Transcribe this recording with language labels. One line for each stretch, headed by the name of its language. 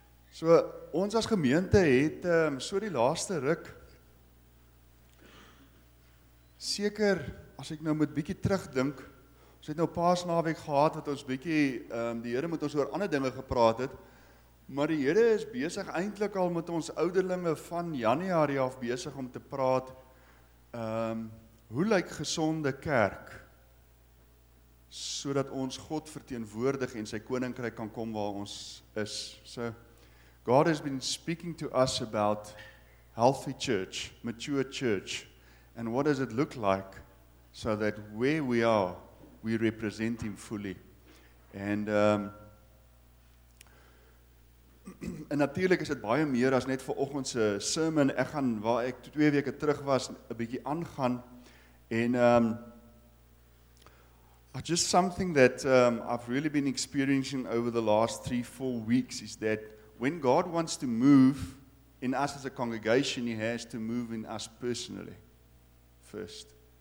Afrikaans: So ons as gemeente het so die laaste ruk seker as ek nou moet bietjie terugdink, ons het nou Paasnaweek gehad wat ons bietjie die Here met ons oor ander dinge gepraat het, maar die Here is besig eintlik al met ons ouderlinge van Januarie af besig om te praat hoe lyk gesonde kerk sodat ons God verteenwoordig en sy koninkryk kan kom waar ons is.
English: So God has been speaking to us about healthy church, mature church, and what does it look like so that where we are, we represent Him fully.
Afrikaans: And en natuurlijk is het baie meer as net vanoggend se sermon. Ek gaan, waar ek 2 weke terug was, 'n bietjie aangaan.
English: En just something that I've really been experiencing over the last 3-4 weeks is that when God wants to move in us as a congregation, He has to move in us personally first.